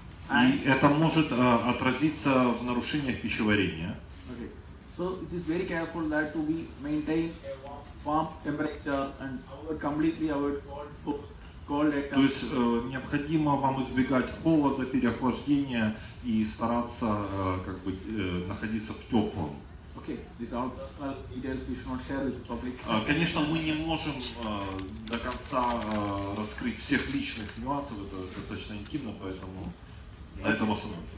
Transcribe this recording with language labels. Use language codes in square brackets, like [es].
[ru] И это может отразиться в нарушениях пищеварения. [en] Okay. So it is very careful that to be maintain a warm temperature and completely avoid cold. [ru] То есть необходимо вам избегать холода, переохлаждения и стараться как бы находиться в теплом. [en] Okay, these are details we should not share with the public. [ru] Конечно, мы не можем до конца раскрыть всех личных нюансов, это достаточно интимно, поэтому на этом основном.